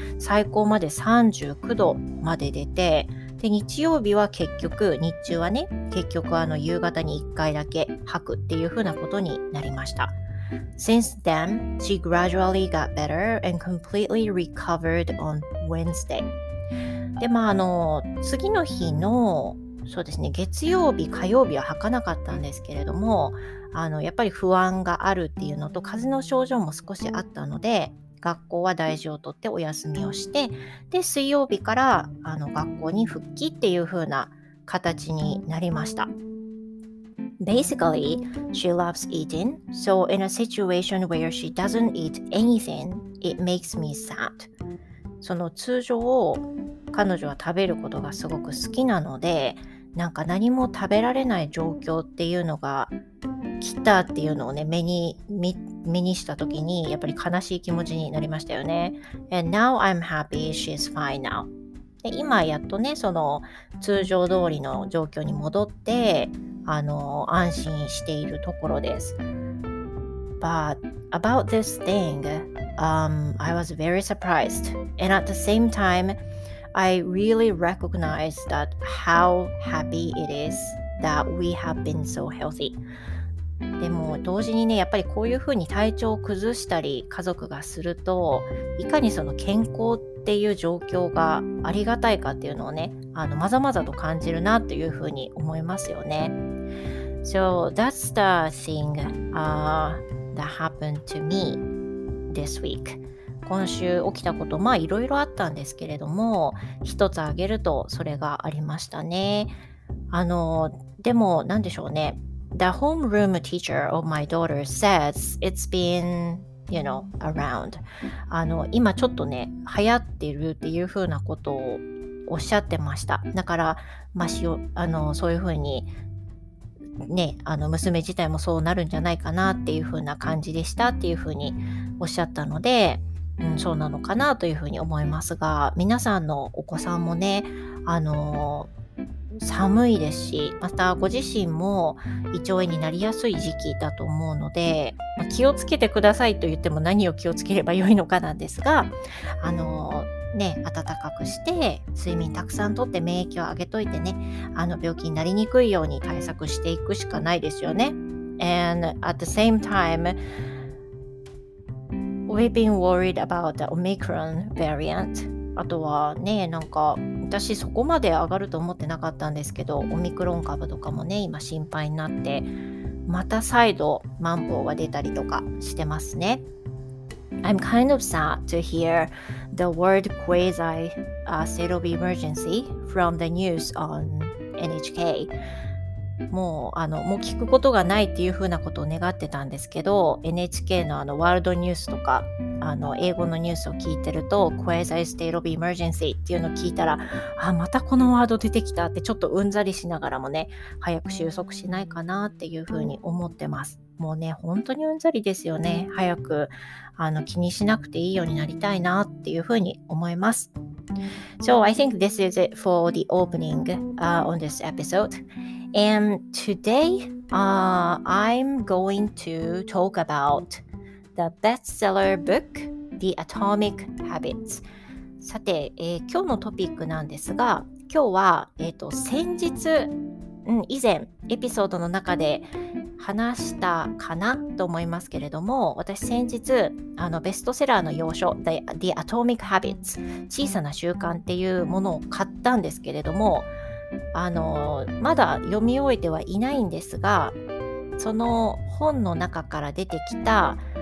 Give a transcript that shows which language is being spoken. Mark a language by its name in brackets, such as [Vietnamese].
[Japanese] 最高まで39度まで出て、で日曜日は結局、日中はね、結局夕方に1回だけ吐くっていう風なことになりました。 [English] Since then, she gradually got better and completely recovered on Wednesday. [Japanese] で、まあ次の日の、そうですね、月曜日火曜日は吐かなかったんですけれども、やっぱり不安があるっていうのと風邪の症状も少しあったので、学校は大事をとってお休みをして、で水曜日から学校に復帰っていう風な形になりました。 [English] Basically, she loves eating, so in a situation where she doesn't eat anything, it makes me sad. [Japanese] その通常を彼女は食べることがすごく好きなので、なんか何も食べられない状況っていうのが来たっていうのをね、目にした時にやっぱり悲しい気持ちになりましたよね。 [English] And now I'm happy she's fine now. [Japanese] で今やっとね、その通常通りの状況に戻って、安心しているところです。 [English] But about this thing, I was very surprised and at the same timeI really recognize that how happy it is that we have been so healthy. [Japanese] でも同時にね、やっぱりこういうふうに体調を崩したり家族がすると、いかにその健康っていう状況がありがたいかっていうのをね、まざまざと感じるなというふうに思いますよね。 [English] So that's the thing, that happened to me this week. [Japanese] 今週起きたこと、まあいろいろあったんですけれども、一つ挙げるとそれがありましたね。でも何でしょうね、 [English] The homeroom teacher of my daughter says it's been, you know, around. [Japanese] 今ちょっとね、流行ってるっていう風なことをおっしゃってました。だから、まあ、そういう風にね、娘自体もそうなるんじゃないかなっていう風な感じでしたっていう風におっしゃったので、うん、そうなのかなというふうに思いますが、皆さんのお子さんもね、寒いですし、またご自身も胃腸炎になりやすい時期だと思うので、まあ、気をつけてくださいと言っても何を気をつければよいのかなんですが、ね、暖かくして睡眠たくさんとって免疫を上げといてね、病気になりにくいように対策していくしかないですよね。 [English] And at the same timeWe've been worried about the Omicron variant. [Japanese] あとはね、なんか私そこまで上がると思ってなかったんですけど、オミクロン株とかもね、今心配になって、また再度マンボウが出たりとかしてますね。 [English] I'm kind of sad to hear the word quasi-state of emergency from the news on [Japanese] NHK。 もう聞くことがないっていう風なことを願ってたんですけど、 NHK のあのワールドニュースとか英語のニュースを聞いてると Quasi State of Emergency っていうのを聞いたら、あ、またこのワード出てきたってちょっとうんざりしながらもね、早く収束しないかなっていう風に思ってます。もうね、本当にうんざりですよね。早く気にしなくていいようになりたいなっていう風に思います。 [English] So I think this is it for the opening on this episode. And today, I'm going to talk about the bestseller book, The Atomic Habits. [Japanese] さて、今日のトピックなんですが、今日は、先日、以前エピソードの中で話したかなと思いますけれども、私先日ベストセラーの洋書 The Atomic Habits 小さな習慣っていうものを買ったんですけれども、まだ読み終えてはいないんですが、その本の中から出てきた